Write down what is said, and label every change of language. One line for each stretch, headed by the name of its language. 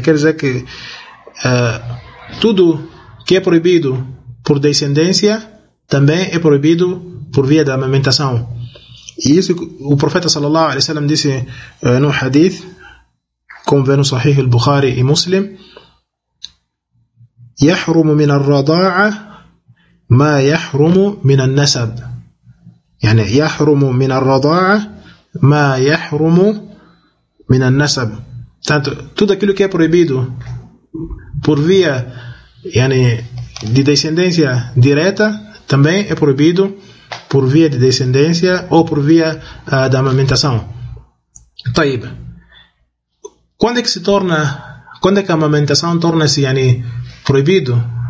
Portuguese: Quer dizer que tudo que é proibido por descendência também é proibido por via da amamentação. E isso o profeta sallallahu alaihi wasallam disse no hadith, como vê no Sahih al-Bukhari e Muslim:
Arabic: يحرم من الرضاعة ما يحرم من النسب، يعني يحرم من الرضاعة ما يحرم من النسب.
Portuguese: Tanto, tudo aquilo que é proibido por via yani, de descendência direta também é proibido por via de descendência ou por via da amamentação.
Arabic: طيب.
Portuguese: Quando é que se torna, quando é que a amamentação torna-se yani, proibido?